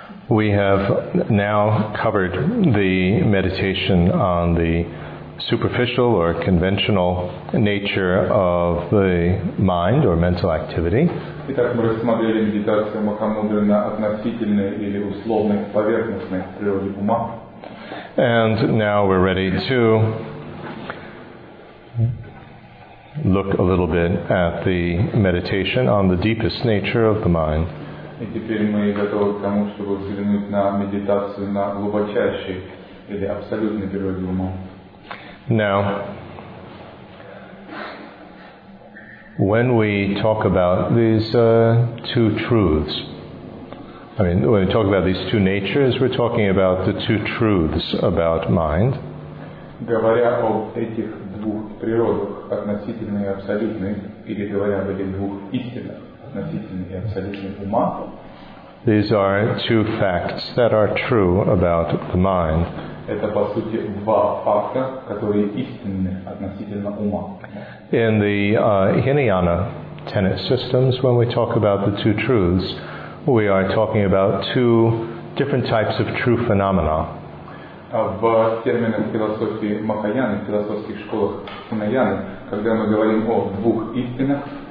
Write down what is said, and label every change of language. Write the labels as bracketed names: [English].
[English] We have now covered the meditation on the superficial or conventional nature of the mind or mental activity. [Russian] Итак, мы рассмотрели медитацию Махамудры на относительной или условной поверхностной природе ума. [English] And now we're ready to look a little bit at the meditation on the deepest nature of the mind. [Russian] И теперь мы готовы к тому, чтобы взглянуть на медитацию на глубочайшей или абсолютной природе ума. [English] Now, when we talk about these two truths, I mean, when we talk about these two natures, we're talking about the two truths about mind. [Russian] Говоря об этих двух природах, относительной и абсолютной, или говоря об этих двух истинах, относительной и абсолютной ума, [English] these are two facts that are true about the mind. [Russian] Это, по сути, два факта, которые истинны относительно ума. [English] In the Hinayana tenet systems, when we talk about the two truths, we are talking about two different types of true phenomena. [Russian] В терминах философии Махаяны, в философских школах Хинаяны, когда мы говорим о двух истинах,